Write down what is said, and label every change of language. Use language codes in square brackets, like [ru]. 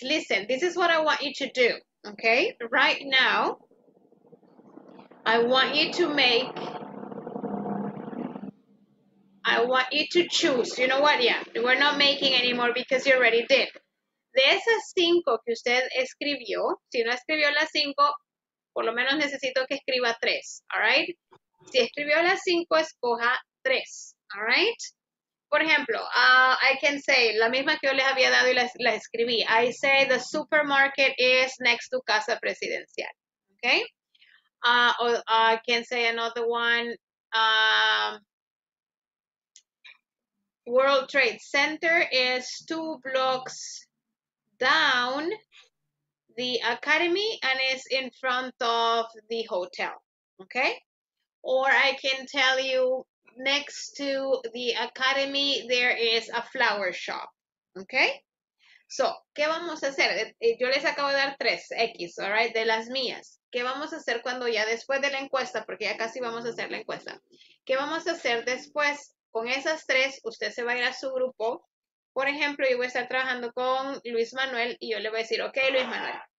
[en] Listen, this is what I want you to do. Okay, right now, I want you to choose, you know what, yeah, we're not making anymore because you already did. [es] De esas cinco que usted escribió, si no escribió las cinco, por lo menos necesito que escriba tres, all right? Si escribió las cinco, escoja tres. All right? Por ejemplo, [en] I can say, [es] la misma que yo les había dado y la escribí. [en] I say the supermarket is next to Casa Presidencial. Okay? Or I can say another one. World Trade Center is two blocks down the academy and is in front of the hotel. Okay? Or I can tell you, next to the academy, there is a flower shop. Okay? So, [es] ¿qué vamos a hacer? Yo les acabo de dar tres X, all right, de las mías. ¿Qué vamos a hacer cuando ya después de la encuesta, porque ya casi vamos a hacer la encuesta? ¿Qué vamos a hacer después con esas tres? Usted se va a ir a su grupo. Por ejemplo, yo voy a estar trabajando con Luis Manuel y yo le voy a decir, ok, Luis Manuel.